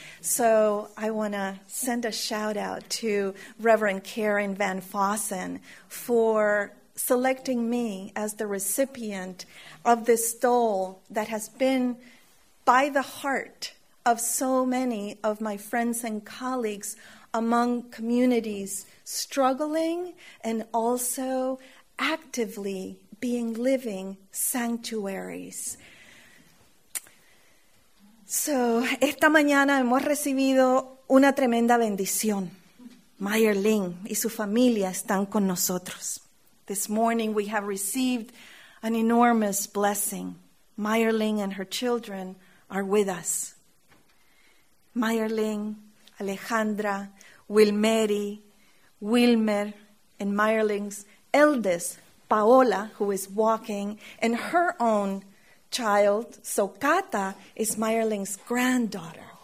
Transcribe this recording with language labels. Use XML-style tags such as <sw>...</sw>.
<en>So I want to send a shout out to Reverend Karen Van Fossen for selecting me as the recipient of this stole that has been by the heart of so many of my friends and colleagues among communities struggling and also actively being living sanctuaries.</en> <es>So, esta mañana hemos recibido una tremenda bendición. Meyer Ling y su familia están con nosotros.</es> <en>This morning we have received an enormous blessing. Meyer Ling and her children are with us. Meyer Ling, Alejandra, Wilmeri, Wilmer, and Meyer Ling's eldest, Paola, who is walking, and her own child, Sokata, is Meyer Ling's granddaughter.</en>